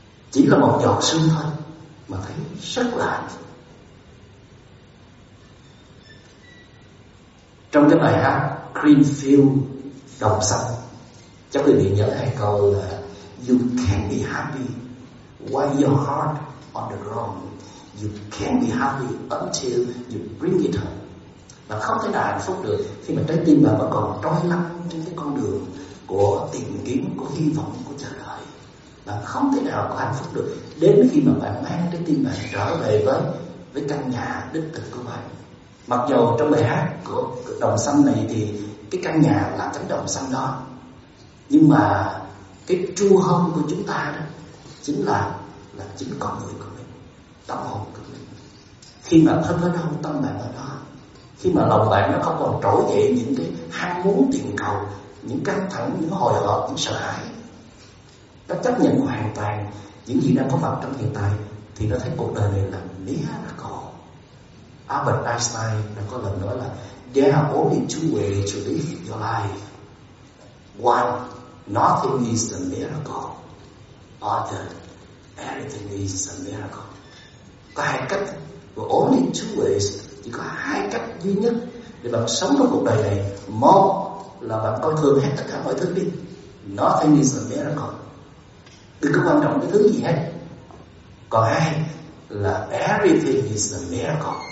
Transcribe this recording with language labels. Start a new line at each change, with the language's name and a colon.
Vietnamese: Chỉ là một giọt sương thôi mà thấy rất là hạnh phúc. Trong cái bài hát Greenfield đồng xanh, chắc quý vị nhớ hai câu là
English: "You can't be happy while your heart on the ground. You can't be happy until you bring it home."
Vietnamese: Và không thể nào hạnh phúc được khi mà trái tim bạn vẫn còn trôi lăn trên cái con đường của tìm kiếm, của hy vọng, của chờ đợi. Bạn không thể nào có hạnh phúc được đến khi mà bạn mang trái tim bạn trở về với căn nhà đích thực của bạn. Mặc dù trong bài hát của đồng xanh này thì cái căn nhà là cánh đồng xanh đó, nhưng mà cái
English: true home
Vietnamese: của chúng ta đó chính là chính con người của mình, tâm hồn của mình. Khi mà thân ở đâu, tâm bạn ở đó. Khi mà lòng bạn nó không còn trỗi dậy những cái ham muốn tiền cầu, những căng thẳng, những hồi hộp, những sợ hãi, nó chấp nhận hoàn toàn những gì đang có mặt trong hiện tại, thì nó thấy cuộc đời này là mía là cổ. Albert Einstein đã có lần nói là
English: "There are only two ways to live your life. One, nothing is a miracle. Other, everything is a miracle."
Vietnamese: Có hai cách,
English: but only two ways.
Vietnamese: Chỉ có hai cách duy nhất để bạn sống trong cuộc đời này. Một là bạn coi thường hết tất cả mọi thứ đi.
English: Nothing is a miracle.
Vietnamese: Đừng có quan trọng cái thứ gì hết. Còn hai là
English: everything is a miracle.